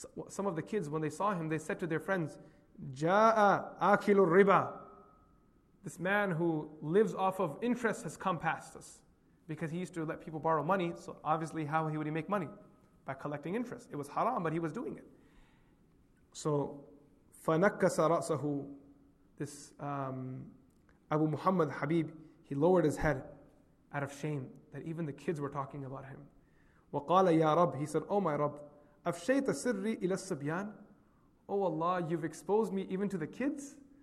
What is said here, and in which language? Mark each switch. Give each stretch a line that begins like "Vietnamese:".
English: Some of the kids, when they saw him, they said to their friends,
Arabic: جَاءَ أَكِلُ الرِّبَى.
English: This man who lives off of interest has come past us. Because he used to let people borrow money, so obviously how would he make money? By collecting interest. It was haram, but he was doing it.
Arabic: So, فَنَكَّسَ رَأْسَهُ.
English: This Abu Muhammad Habib, he lowered his head out of shame that even the kids were talking about him.
Arabic: وَقَالَ يَا رَبْ.
English: He said, oh my Rabb,
Arabic: أَفْشَيْتَ سِرِّي إِلَى السَّبْيَانِ.
English: Oh Allah, you've exposed me even to the kids?